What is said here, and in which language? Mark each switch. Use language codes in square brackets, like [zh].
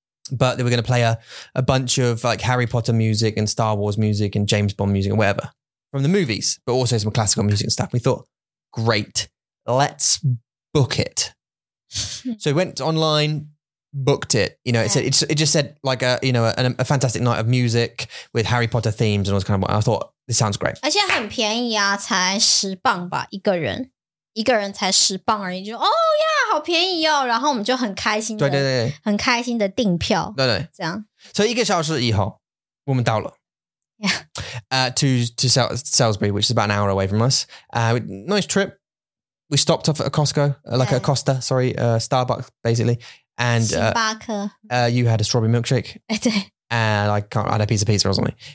[en] But they were going to play a bunch of like Harry Potter music and Star Wars music and James Bond music and whatever from the movies, but also some classical music and stuff. We thought, great, let's book it. So we went online, booked it. You know, it just said a fantastic night of music with Harry Potter themes and all this kind of stuff. I thought, this sounds great. [zh] 而且很便宜啊，才十磅吧，一个人。一个人才十磅而已，就哦呀，好便宜哦！然后我们就很开心的，对对对，很开心的订票，对对，这样。所以一个小时以后，我们到了。 [en] Yeah. To Salisbury, which is about an hour away from us. Nice trip. We stopped off at a Costco, like a Costa, sorry, Starbucks, basically. And [zh] 星巴克。 [en] You had a strawberry milkshake. [zh] 对。 [en] And I had a piece of pizza or something.